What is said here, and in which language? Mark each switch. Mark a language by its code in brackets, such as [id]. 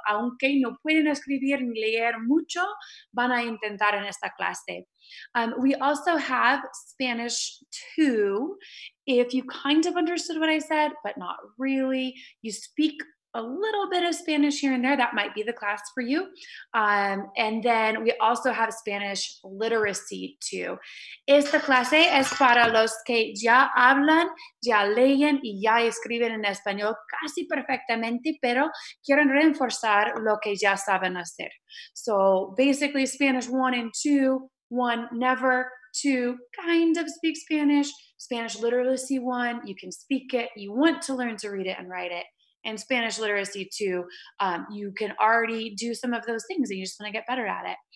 [es] Aunque no pueden escribir ni leer mucho, van a intentar en esta clase. [en] We also have Spanish 2. If you kind of understood what I said, but not really, you speak a little bit of Spanish here and there, that might be the class for you. And then we also have Spanish Literacy 2. [es] Esta clase es para los que ya hablan, ya leen y ya escriben en español casi perfectamente, pero quieren reinforzar lo que ya saben hacer. [en] So basically Spanish 1 and 2, 1 never, 2 kind of speak Spanish. Spanish Literacy 1, you can speak it, you want to learn to read it and write it. And Spanish Literacy 2, you can already do some of those things and you just want to get better at it.